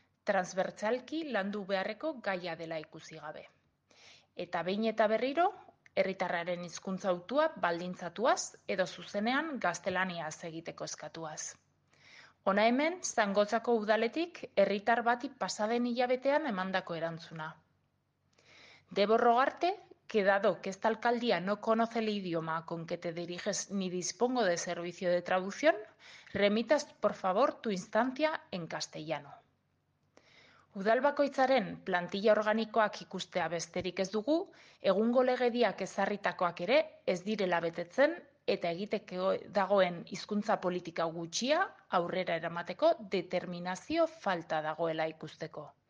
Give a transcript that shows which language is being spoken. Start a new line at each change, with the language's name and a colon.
Basque: Transbertsalki landu beharreko gaia dela ikusi gabe. Eta behin eta berriro, herritarraren hizkuntza hautua baldintzatuaz edo zuzenean gaztelaniaz egiteko eskatuaz. Hona hemen, Zangotzako udaletik herritar bati pasaden hilabetean emandako erantzuna.
Spanish: Debo rogarte que, dado que esta alcaldía no conoce el idioma con que te diriges ni dispongo de servicio de traducción, remitas, por favor, tu instancia en castellano.
Basque: Udal bakoitzaren plantilla organikoak ikustea besterik ez dugu, egungo legediak ezarritakoak ere ez direla betetzen eta egiteke dagoen hizkuntza politika gutxia aurrera eramateko determinazio falta dagoela ikusteko.